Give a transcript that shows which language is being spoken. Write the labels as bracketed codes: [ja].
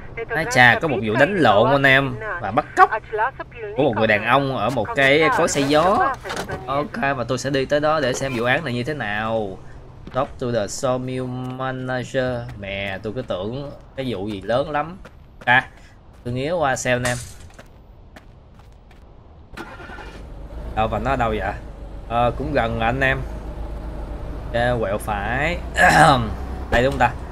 [vi] Hai chà, có một vụ đánh lộn anh em và bắt cóc của một người đàn ông ở một cái cối xay gió. Ok, và tôi sẽ đi tới đó để xem vụ án này như thế nào. [en] Talk to the sawmill manager. [vi] Mẹ, tôi cứ tưởng cái vụ gì lớn lắm. À, tôi nghĩ qua xem em. Đâu và nó ở đâu vậy? À, cũng gần anh em. Quẹo phải. Đây đúng không ta?